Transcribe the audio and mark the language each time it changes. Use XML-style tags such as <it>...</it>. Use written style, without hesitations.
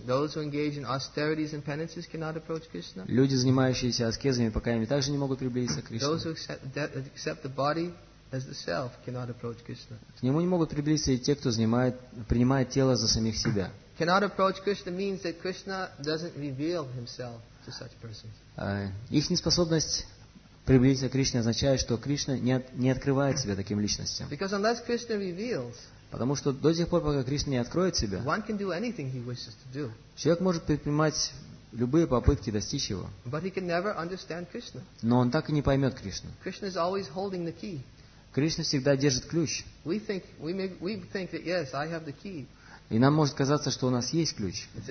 <en>Those who engage in austerities and penances cannot approach Krishna.</en> <ru>Люди, занимающиеся аскезами и покаяниями, также не могут приблизиться к Кришне.</ru> <en>Those who accept the body as the self cannot approach Krishna.</en> <ru>К нему не могут приблизиться и те, кто принимает тело за самих себя.</ru> <en>cannot approach Krishna means that Krishna doesn't reveal himself to such persons.</en> <ru>Их неспособность приблизиться к Кришне означает, что Кришна не открывает себя таким личностям.</ru> <en>Because unless Krishna reveals,</en> <ru>потому что до тех пор, пока Кришна не откроет себя,</ru> <en>one can do anything he wishes to do.</en> <ru>Человек может предпринимать любые попытки достичь его.</ru> <en>But he can never understand Krishna.</en> <ru>Но он так и не поймет Кришну.</ru> <en>Krishna is always holding the key.</en> <ru>Кришна всегда держит ключ.</ru> <en>We think that yes, I have the key.</en> <ru>И нам может казаться, что у нас есть ключ.</ru>